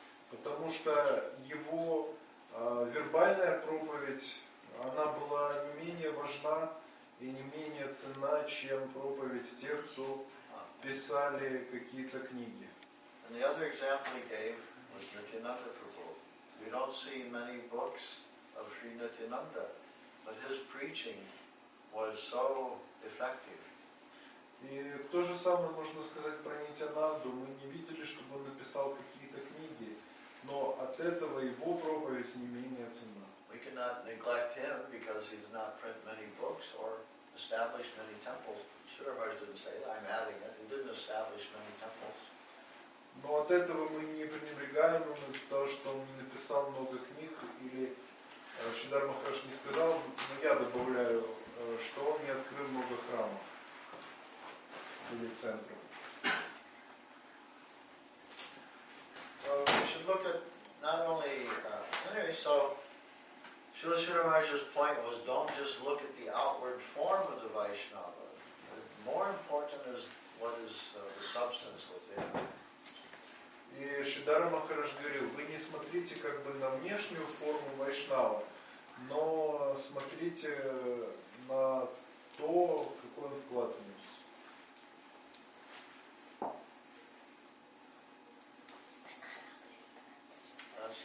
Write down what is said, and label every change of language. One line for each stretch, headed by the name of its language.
Russian: Потому что его вербальная проповедь, она была не менее важна и не менее ценна, чем проповедь тех, кто писали какие-то книги.
English: And the other example he gave was Nityananda Prabhu. We don't see many books of Sri Nityananda, but his preaching was so effective.
Russian: И то же самое можно сказать про Нитянанду. Мы не видели, чтобы он написал какие-то книги, но от этого его проповедь не менее ценна.
English: We cannot neglect him because he did not print many books or establish many temples. Sure, Maharaj didn't say that. I'm adding it. He didn't establish many temples.
Russian: Но от этого мы не пренебрегаем его из-за того, что он написал много книг, или Шридхар Махарадж не сказал, но я добавляю, что он не открыл много храмов или центров.
English: So we should look at not only anyway, so Srila Sridhara Maharaj's point was don't just look at the outward form of the Vaishnava. More important is what is the substance within.
Russian: И Шридхара Махарадж говорил, вы не смотрите как бы на внешнюю форму Вайшнава, но смотрите на то, какой он вклад внес.